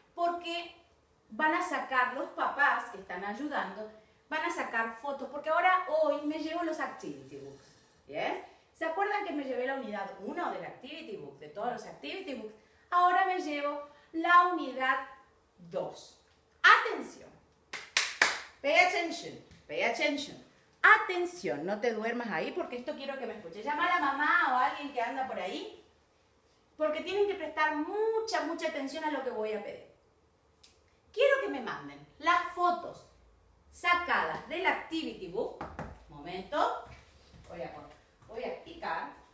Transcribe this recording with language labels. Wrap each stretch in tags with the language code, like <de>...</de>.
<es>Porque van a sacar, los papás que están ayudando, van a sacar fotos. Porque ahora, hoy, me llevo los activity books. ¿Yes? ¿Se acuerdan que me llevé la unidad 1 del activity book, de todos los activity books? Ahora me llevo la unidad 2. ¡Atención!</es> <en>Pay attention, pay attention.</en> <es>Atención, no te duermas ahí porque esto quiero que me escuches. Llama a la mamá o a alguien que anda por ahí. Porque tienen que prestar mucha, mucha atención a lo que voy a pedir. Quiero que me manden las fotos sacadas del Activity Book. Momento. Voy a picar.</es>